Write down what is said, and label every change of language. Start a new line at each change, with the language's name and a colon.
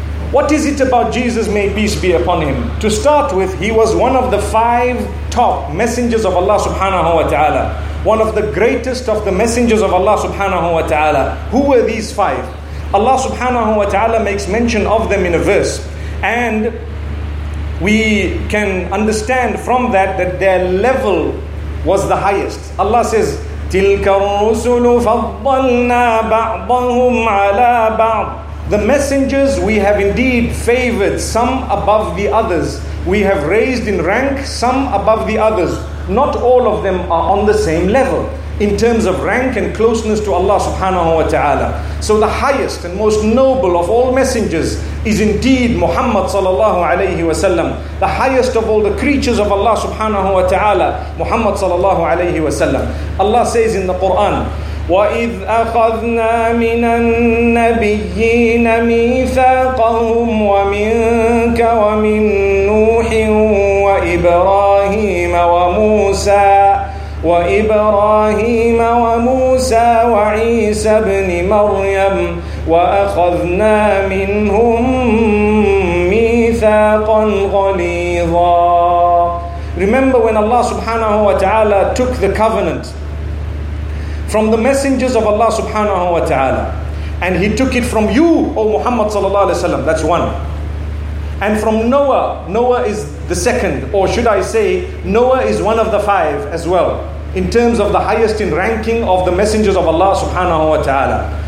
English: What is it about Jesus, may peace be upon him? To start with, he was one of the five top messengers of Allah subhanahu wa ta'ala. One of the greatest of the messengers of Allah subhanahu wa ta'ala. Who were these five? Allah subhanahu wa ta'ala makes mention of them in a verse. And we can understand from that that their level was the highest. Allah says,
Arabic: تِلْكَ الرُّسُلُ فَضَّلْنَا بَعْضَهُمْ عَلَىٰ بَعْضٍ.
English: The messengers we have indeed favored some above the others. We have raised in rank some above the others. Not all of them are on the same level in terms of rank and closeness to Allah subhanahu wa ta'ala. So the highest and most noble of all messengers is indeed Muhammad sallallahu alayhi wa sallam. The highest of all the creatures of Allah subhanahu wa ta'ala, Muhammad sallallahu alayhi wa sallam. Allah says in the Quran,
Arabic: وَإِذْ أَخَذْنَا مِنَ النَّبِيِّينَ مِيثَاقَهُمْ وَمِنْكَ وَمِنْ نُوحٍ وَإِبْرَاهِيمَ وَمُوسَى وَإِبْرَاهِيمَ وَمُوسَى وَعِيسَى بْنِ مَرْيَمَ وَأَخَذْنَا مِنْهُمْ مِيثَاقًا غَلِيظًا.
English: Remember when Allah subhanahu wa ta'ala took the covenant from the messengers of Allah subhanahu wa ta'ala, and he took it from you, O Muhammad sallallahu alayhi wa sallam. That's one. And from Noah. Noah is the second. Or should I say, Noah is one of the five as well, in terms of the highest in ranking of the messengers of Allah subhanahu wa ta'ala.